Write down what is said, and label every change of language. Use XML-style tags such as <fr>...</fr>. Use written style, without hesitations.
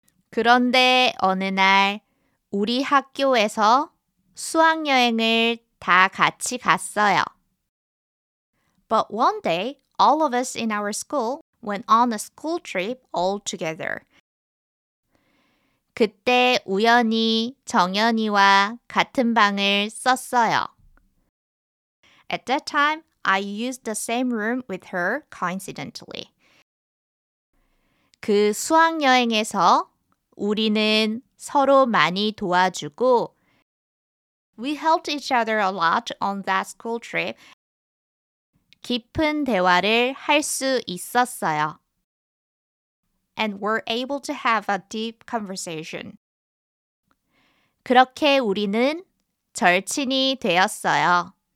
<ko>그런데 어느 날 우리 학교에서 수학여행을 다 같이 갔어요.</ko> <en>But one day, all of us in our school went on a school trip all together.</en> <ko>그때 우연히 정연이와 같은 방을 썼어요.</ko> <en>At that time, I used the same room with her coincidentally.</en> <ko>그 수학여행에서 우리는 서로 많이 도와주고</ko> <en>We helped each other a lot on that school trip.</en> <ko>깊은 대화를 할 수 있었어요.</ko> <en>And were able to have a deep conversation.</en> <ko>그렇게 우리는 절친이 되었어요.</ko>